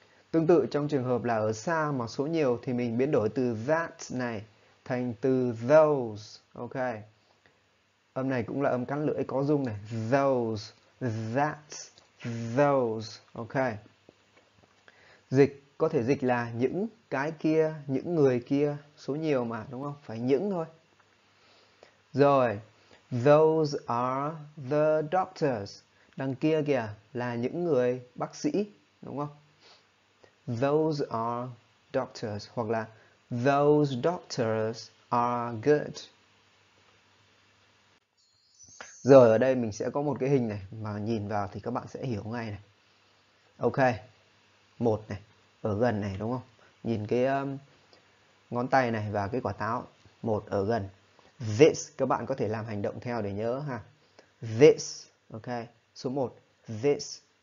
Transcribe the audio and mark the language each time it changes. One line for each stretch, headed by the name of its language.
Vietnamese: Tương tự trong trường hợp là ở xa mà số nhiều thì mình biến đổi từ that này thành từ those. Ok. Âm này cũng là âm cắn lưỡi có rung này, those, that. Those, ok. Dịch, có thể dịch là những cái kia, những người kia, số nhiều mà, đúng không? Phải những thôi.
English: Rồi, those are the doctors.
Vietnamese: Đằng kia kìa, là những người bác sĩ, đúng không?
English: Those are doctors,
Vietnamese: hoặc là
English: those doctors are good.
Vietnamese: Rồi ở đây mình sẽ có một cái hình này mà nhìn vào thì các bạn sẽ hiểu ngay này. Ok, một này, ở gần này đúng không? Nhìn cái ngón tay này và cái quả táo, một ở gần. This, các bạn có thể làm hành động theo để nhớ ha. This, ok, số một, this.